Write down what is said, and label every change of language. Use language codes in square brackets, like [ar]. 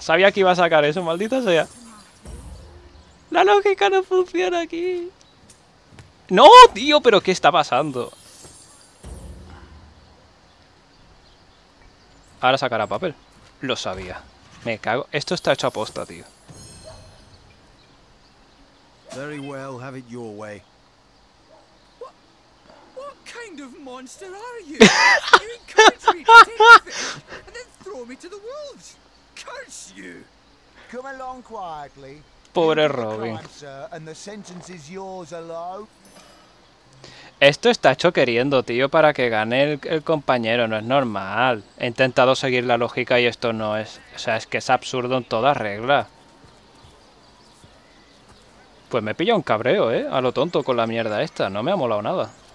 [es] Sabía que iba a sacar eso, maldita sea. ¡La lógica no funciona aquí! ¡No, tío! ¿Pero qué está pasando? Ahora sacará papel. Lo sabía. Me cago. Esto está hecho a posta, tío. [en] Very well, have it your way. [es] ¿Qué tipo de monstruo eres? ¿Te encouraged me a tomar un pez y luego me llevas a los lobos? [en] ¡Curse! Come along quietly. [es] Pobre Robin. [en] And the sentence is yours alone. [es] Esto está hecho queriendo, tío, para que gane el compañero. No es normal. He intentado seguir la lógica y esto no es... O sea, es que es absurdo en toda regla. Pues me he pillado un cabreo, ¿eh? A lo tonto con la mierda esta. No me ha molado nada.